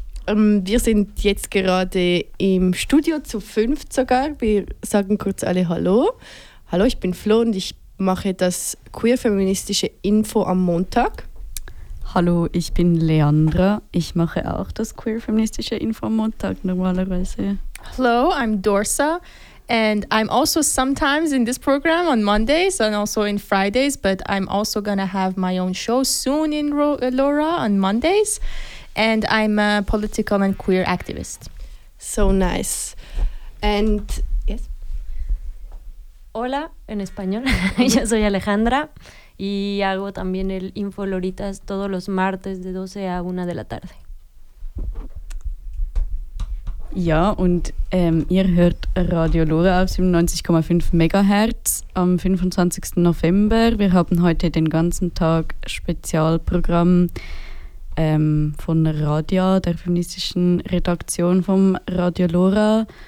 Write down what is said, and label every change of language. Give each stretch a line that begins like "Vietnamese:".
German: Wir sind jetzt gerade im Studio zu fünft sogar. Wir sagen kurz alle Hallo. Hallo, ich bin Flo und ich mache das queer-feministische Info am Montag. Hallo, ich bin Leandra. Ich mache auch das queer-feministische Info am Montag normalerweise.
English: Hello, I'm Dorsa. And I'm also sometimes in this program on Mondays and also in Fridays. But I'm also gonna have my own show soon in Laura on Mondays. And I'm a political and queer activist. So nice. And yes.
Spanish: Hola, en español. Yo soy Alejandra y hago también el Info Loritas todos los martes de 12 a 1 de la tarde.
German: Ja, und ihr hört Radio Lora auf 97,5 MHz am 25. November. Wir haben heute den ganzen Tag Spezialprogramm von Radia, der feministischen Redaktion von Radio Lora.